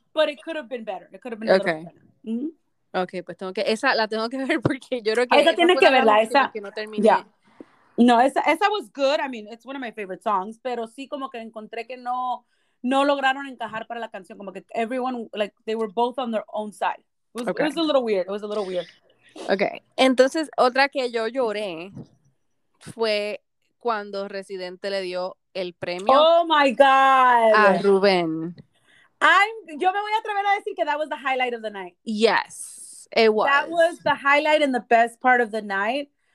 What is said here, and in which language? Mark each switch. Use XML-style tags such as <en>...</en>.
<en>But it could have been better. It could have been a little better. Mm-hmm.</en> <es>Okay, pues tengo que ver porque yo creo que esa tiene que verla, esa. Que no terminé.</es> <en>Yeah. No, esa was good. I mean, it's one of my favorite songs,</en> <es>pero sí como que</es> <en>encontré que no lograron encajar para la canción, como que everyone, like, they were both on their own side. It was a little weird. Okay.</en> <es>Entonces, otra que yo lloré fue cuando Residente le dio el premio.</es> <en>Oh my God.</en> <es>A Rubén. Yo me voy a atrever a decir que</es> <en>that was the highlight of the night. Yes, it was. That was the highlight and the best part of the night.</en>